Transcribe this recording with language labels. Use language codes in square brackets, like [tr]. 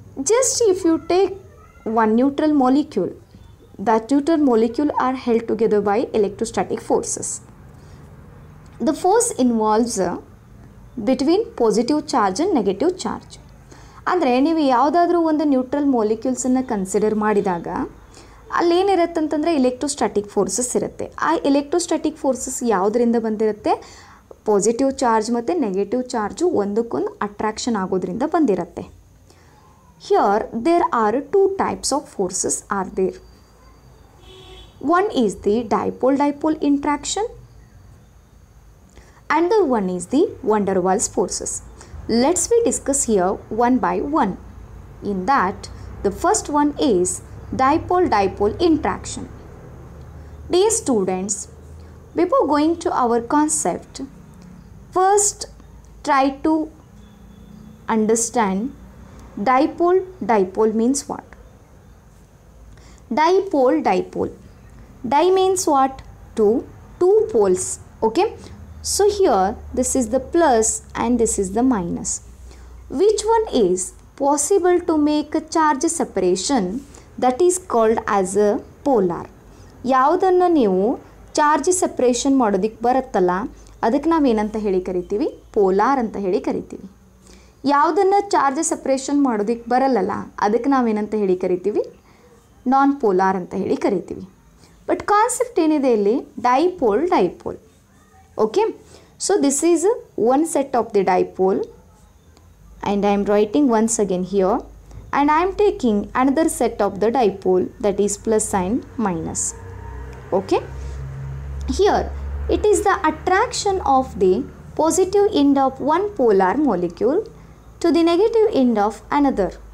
[en] Just if you take one neutral molecule, that neutral molecule are held together by electrostatic forces. The force involves between positive charge and negative charge. [kn] Andre nivu yavadadru ondu neutral molecules anna consider madidaga ಅಲ್ಲಿ ಏನಿರುತ್ತೆ ಅಂತಂದರೆ electrostatic forces ಇರುತ್ತೆ. ಆ electrostatic forces ಯಾವುದರಿಂದ ಬಂದಿರುತ್ತೆ? Positive charge ಮತ್ತು negative charge ಒಂದಕ್ಕೊಂದು attraction ಆಗೋದ್ರಿಂದ ಬಂದಿರುತ್ತೆ. [en] Here there are two types of forces are there. One is the dipole dipole interaction and other one is the van der Waals forces. Let's we discuss here one by one. In that the first one is dipole dipole interaction. Dear students, before going to our concept, first try to understand dipole dipole means what. Dipole dipole, di means what? Two poles. Okay, so here this is the plus and this is the minus. Which one is possible to make a charge separation? That is called as a polar. [kn] ಯಾವುದನ್ನು ನೀವು charge separation ಮಾಡೋದಕ್ಕೆ ಬರುತ್ತಲ್ಲ ಅದಕ್ಕೆ ನಾವೇನಂತ ಹೇಳಿ ಕರಿತೀವಿ? Polar ಅಂತ ಹೇಳಿ ಕರಿತೀವಿ. ಯಾವುದನ್ನು ಚಾರ್ಜ್ ಸಪ್ರೇಷನ್ ಮಾಡೋದಕ್ಕೆ ಬರಲ್ಲಲ್ಲ ಅದಕ್ಕೆ ನಾವೇನಂತ ಹೇಳಿ ಕರಿತೀವಿ? ನಾನ್ ಪೋಲಾರ್ ಅಂತ ಹೇಳಿ ಕರಿತೀವಿ. ಬಟ್ ಕಾನ್ಸೆಪ್ಟ್ ಏನಿದೆ ಇಲ್ಲಿ? [en] Dipole dipole. Okay, so this is one set of the dipole and I am writing once again here. And I am taking another set of the dipole, that is plus and minus. Okay, here it is the attraction of the positive end of one polar molecule to the negative end of another.